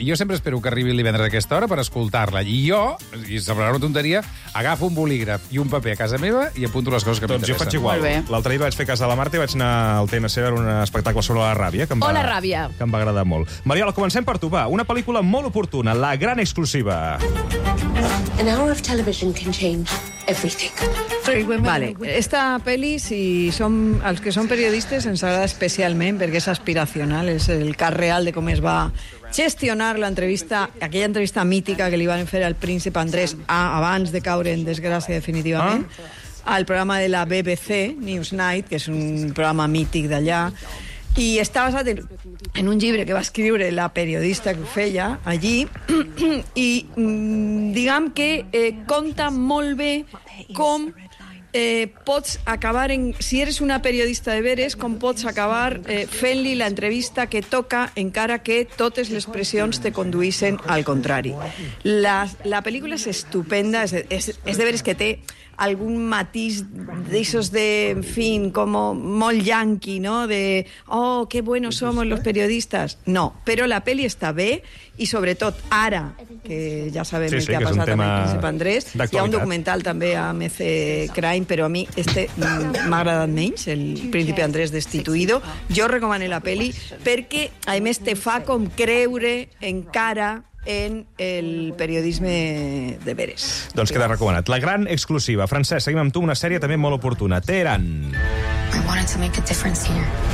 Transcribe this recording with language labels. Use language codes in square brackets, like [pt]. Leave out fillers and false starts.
[ca] Jo sempre espero que arribi el divendres d'aquesta hora per escoltar-la. I jo, i semblarà una tonteria, agafo un bolígraf i un paper a casa meva i apunto les coses que m'interessen. Doncs jo faig igual. L'altre dia vaig fer casa a la Marta i vaig anar al TNC a veure un espectacle sobre la ràbia. Que em va agradar molt. Mariola, comencem per tu, va. Una pel·lícula molt oportuna, La gran exclusiva. [en] An hour of television can change everything. [ca] Vale, esta peli, si som, els que són periodistes, ens agrada especialment perquè és aspiracional, és el cas real de com es va gestionar l'entrevista, aquella entrevista mítica que li van fer al príncep Andrés abans de caure en desgràcia definitivament, al programa de la BBC, Newsnight, que és un programa mític d'allà, i està basat en un llibre que va escriure la periodista que ho feia allí, i diguem que conta molt bé com... pots acabar en, si eres una periodista de veres, com pots acabar fent-li l'entrevista que toca encara que totes les pressions te conduïssin al contrari. La pel·lícula és estupenda, és de veres que té algun matís d'aixos de, en fi, com molt yanqui, no? [es] De, oh, que buenos somos los periodistas. [ca] No, però la peli està bé i sobretot ara, que ja sabem sí, què ha passat amb el príncep Andrés, hi ha un documental també a MC Crime, però a mi este m'ha agradat menys, el príncipe Andrés destituïdo. Jo recomano la peli perquè, a més, te fa com creure encara en el periodisme de veres. Doncs queda recomanat. La gran exclusiva. Francesc, seguim amb tu, una sèrie també molt oportuna. Teheran. [en] I wanted to make a difference here.